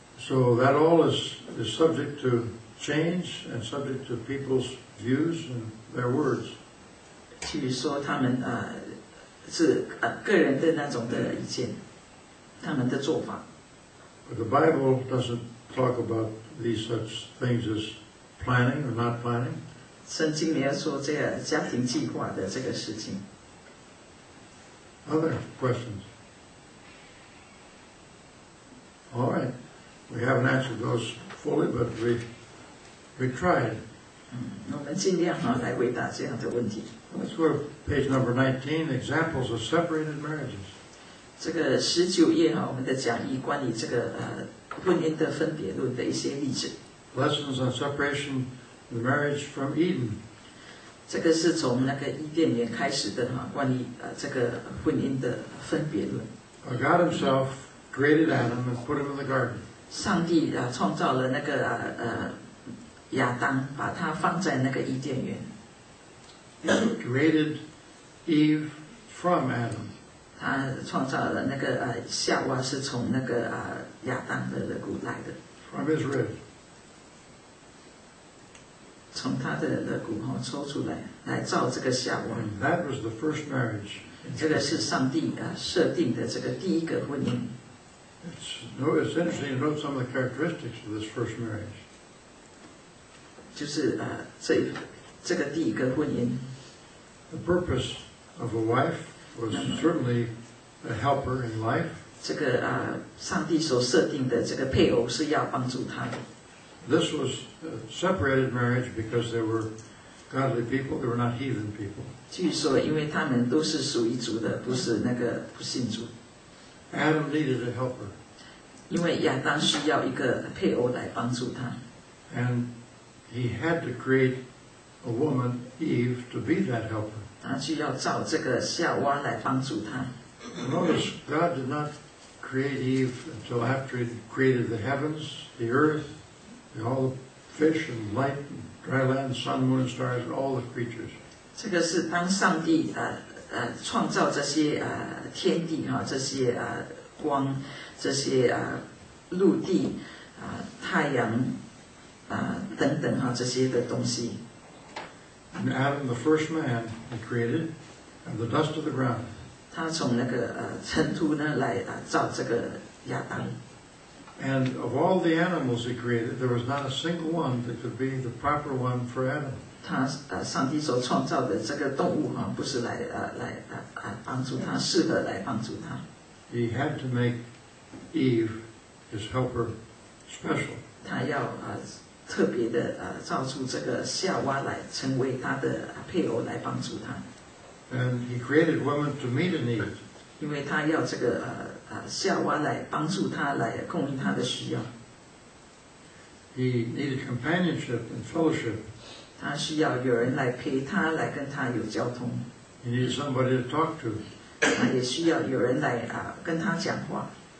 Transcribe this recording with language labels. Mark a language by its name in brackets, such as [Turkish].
[English] So that all is subject to change and subject to people's views and their words. [Chinese] 去说他们是个人的那种的意见，他们的做法。 [English] But the Bible doesn't talk about these such things as planning or not planning. [Chinese] 圣经没有说这个家庭计划的这个事情。 [English] Other questions? All right, we haven't answered those fully, but we tried. [Chinese] 我们尽量来回答这样的问题。 [English] Let's go to page number 19, examples of separated marriages. [Chinese] 这个十九页我们的讲义关于这个婚姻的分别论的一些例子。 [English] Lessons on separation, the marriage from Eden. [Chinese] 这个是从那个伊甸园开始的关于这个婚姻的分别论。 [English] God himself created Adam and put him in the garden. [Chinese] 上帝创造了那个亚当，把他放在那个伊甸园。 [English] He created Eve from Adam. [Chinese] 他创造了那个夏娃是从那个亚当的肋骨来的。 [English] From his rib. [Chinese] 从他的肋骨抽出来，来造这个夏娃。 [English] And that was the first marriage. [Chinese] 这个是上帝设定的这个第一个婚姻。 [English] It's interesting to note some of the characteristics of this first marriage. [Chinese] 就是这个第一个婚姻。 [English] The purpose of a wife was certainly a helper in life. [Chinese] 这个上帝所设定的这个配偶是要帮助他的。 [English] This was a separated marriage because they were godly people, they were not heathen people. [Chinese] 据说因为他们都是属于主的，不是那个不信主。 [English] Adam needed a helper. [Chinese] 因为亚当需要一个配偶来帮助他。 [English] And he had to create a woman, Eve, to be that helper. [Chinese] 他需要找这个夏娃来帮助他。 [English] Notice God did not create Eve until after he created the heavens, the earth, all the fish and light and dry land, sun, moon, and stars, and all the creatures. [Chinese] 这个是当上帝创造这些天地哈，这些光，这些陆地太阳等等哈，这些的东西。 [English] And Adam, the first man, he created, and the dust of the ground. [Chinese] 他从那个尘土呢来造这个亚当。 [English] And of all the animals he created, there was not a single one that could be the proper one for Adam. [Chinese] 他上帝所创造的这个动物哈，不是帮助他，适合来帮助他。 [English] He had to make Eve his helper special. [Chinese] 他要特别的造出这个夏娃来成为他的配偶来帮助他。 [English] And he created women to meet a need. [Chinese] 因为他要这个夏娃来帮助他，来供应他的需要。 [English] He needed companionship and fellowship. [Chinese] 他需要有人来陪他，来跟他有交通。 [English] He needed somebody to talk to. [Chinese] 他也需要有人来跟他讲话。